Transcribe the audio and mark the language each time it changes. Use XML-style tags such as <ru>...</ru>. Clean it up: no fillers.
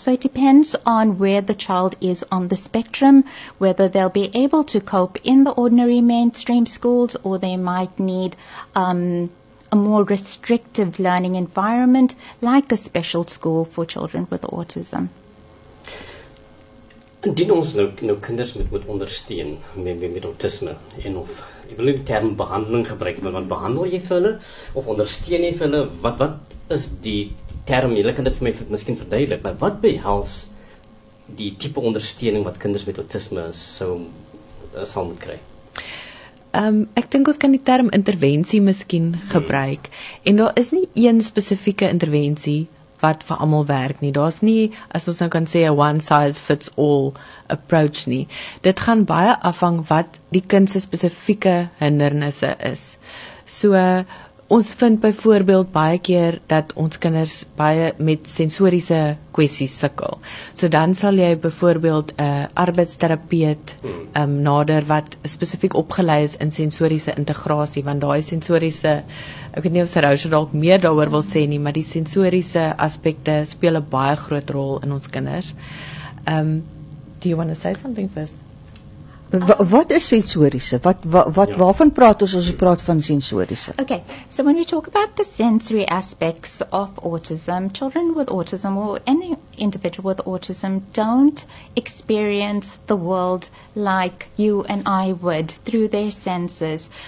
<en>So it depends on where the child is on the spectrum, whether they'll be able to cope in the ordinary mainstream schools, or they might need a more restrictive learning environment, like a special school for children with autism.</en> <af>Indien ons nou kinders moet ondersteun met autisme, en of, ek wil nie die term behandeling gebruik, want behandel jy vir hulle, of ondersteun jy vir hulle, wat is die term, jy kan dit vir my miskien verduidelik, maar wat behels die type ondersteuning wat kinders met autisme sal moet kry? Ek dink ons kan die term interventie miskien gebruik, en daar is nie een spesifieke interventie wat vir almal werk nie. Daar is nie, as ons nou kan sê,</af> <en>a one size fits all approach</en> <af>nie. Dit gaan baie afhang wat die kind se spesifieke hindernisse is. So, ons vind byvoorbeeld baie keer dat ons kinders baie met sensoriese kwessies sukkel. So dan sal jy byvoorbeeld 'n arbeidsterapeut nader wat spesifiek opgelei is in sensoriese integrasie, want daai sensoriese, ek weet nie of Sarosha dalk meer daaroor wil sê nie, maar die sensoriese aspekte speel 'n baie groot rol in ons kinders.</af> <en>Do you want to say something first?</en> <af>Wat is sensoriese? Wat waarvan praat ons as ons praat van sensoriese?</af> <en>Okay, so when we talk about the sensory aspects of autism, children with autism or any individual with autism don't experience the world like you and I would through their senses.</en>